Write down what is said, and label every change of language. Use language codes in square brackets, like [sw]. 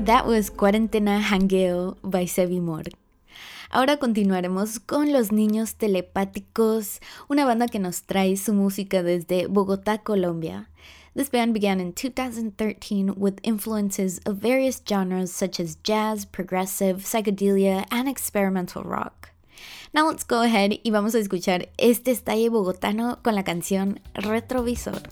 [es] Es Cuarentena Jangueo by Sebimor. Ahora continuaremos con los Niños Telepáticos, una banda que nos trae su música desde Bogotá, Colombia. [en] This band began in 2013 with influences of various genres such as jazz, progressive, psychedelia, and experimental rock. Now let's go ahead [es] y vamos a escuchar este estalle bogotano con la canción Retrovisor.